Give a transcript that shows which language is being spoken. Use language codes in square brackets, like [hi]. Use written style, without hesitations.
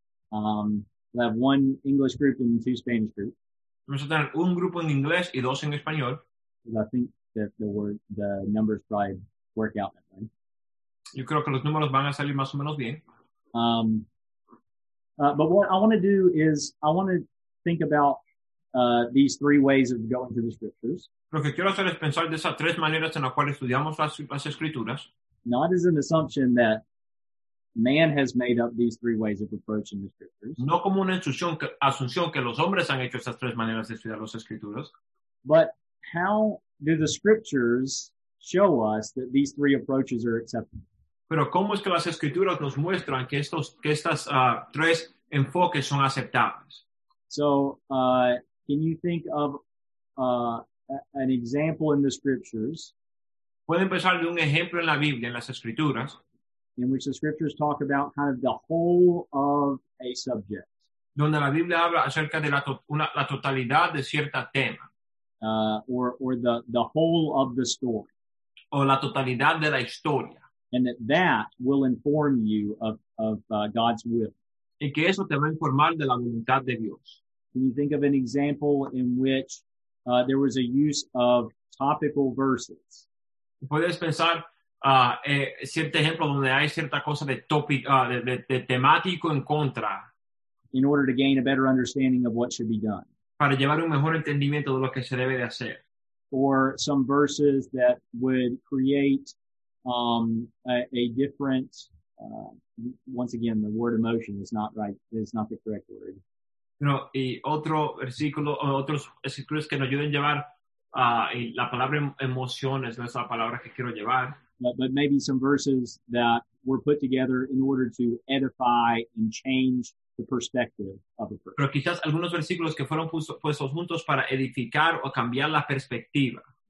[en] We'll have one English group and two Spanish groups. [es] Vamos a tener un grupo en inglés y dos en español. [en] I think that the numbers probably work out. Right? [es] Yo creo que los números van a salir más o menos bien. [en] But what I want to do is I want to think about these three ways of going through the scriptures. [es] Lo que quiero hacer es pensar de esas tres maneras en las cuales estudiamos las escrituras. [en] Not as an assumption that man has made up these three ways of approaching the scriptures. [es] No como una asunción que los hombres han hecho estas tres maneras de estudiar las escrituras. [en] But how do the scriptures show us that these three approaches are acceptable? [es] Pero cómo es que las escrituras nos muestran que estas tres enfoques son aceptables? [en] So, can you think of an example in the scriptures? [es] Pueden pensar de un ejemplo en la Biblia, en las escrituras. [en] In which the scriptures talk about kind of the whole of a subject. [es] Donde la Biblia habla acerca de la totalidad de cierta tema. [en] Or the whole of the story. [es] O la totalidad de la historia. [en] And that will inform you of God's will. [es] Y que eso te va a informar de la voluntad de Dios. [en] Can you think of an example in which there was a use of topical verses? [es] Puedes pensar cierto ejemplo donde hay cierta cosa de tópico, de temático en contra. [en] In order to gain a better understanding of what should be done. [es] Para llevar un mejor entendimiento de lo que se debe de hacer. [en] Or some verses that would create a different, once again, the word emotion is not right, is not the correct word. [es] No, y otro versículo, otros escrituras que nos ayuden a llevar, y la palabra emoción es la palabra que quiero llevar. [en] But maybe some verses that were put together in order to edify and change the perspective of a person. [es] Pero quizás algunos versículos que fueron puestos juntos para edificar o cambiar la perspectiva.